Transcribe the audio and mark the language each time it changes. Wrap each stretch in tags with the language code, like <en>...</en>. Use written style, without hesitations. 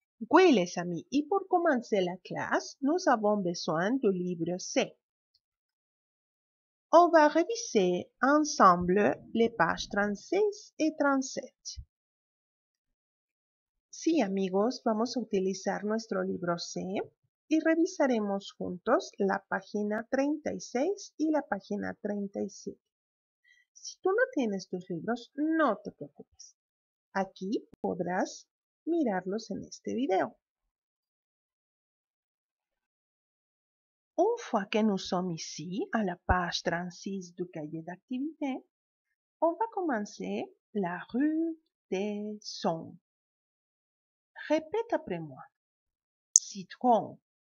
<fr>Oui, les amis, et pour commencer la classe, nous avons besoin du livre C. On va réviser ensemble les pages 36 et 37.</fr> <es>Sí, amigos, vamos a utilizar nuestro libro C y revisaremos juntos la página 36 y la página 37. Si tú no tienes tus libros, no te preocupes. Aquí podrás mirarlos en este video.</es> <fr>Une fois que nous sommes ici, à la page 36 du cahier d'activité, on va commencer la rue des sons. Répète après moi. Citron.</fr>